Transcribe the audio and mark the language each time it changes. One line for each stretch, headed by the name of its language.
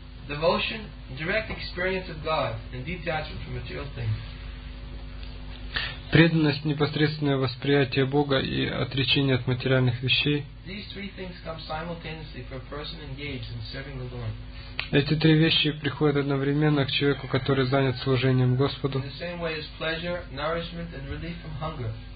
English: Devotion, direct experience of God, and detachment from material things.
Russian: Преданность, непосредственное восприятие Бога и отречение от материальных вещей.
English: These three things come simultaneously for a person engaged in serving the Lord.
Russian: Эти три вещи приходят одновременно к человеку, который занят служением Господу.
English: In the same way as pleasure, nourishment, and relief from hunger.